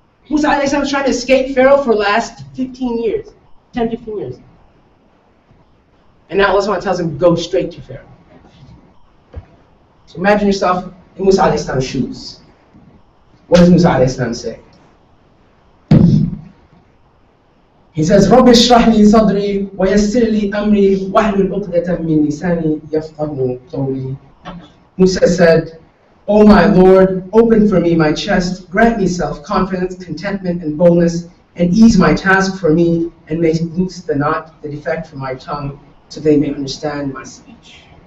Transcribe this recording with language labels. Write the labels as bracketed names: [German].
[English] Musa alayhi salam is trying to escape Pharaoh for the last 15 years, 10, 15 years. And now Allah tells him, go straight to Pharaoh. So imagine yourself in Musa alayhi salam's shoes. What does Musa alayhi salam say? He says, [Arabic] رَبِّ اشْرَحْ لِي صَدْرِي وَيَسِّرْ لِي أَمْرِي وَاحْلُلْ عُقْدَةً مِنْ لِسَانِي يَفْقَهُ قَوْلِي. [English] Musa said, O my Lord, open for me my chest, grant me self-confidence, contentment, and boldness, and ease my task for me, and may loose the knot, the defect from my tongue, so they may understand my speech.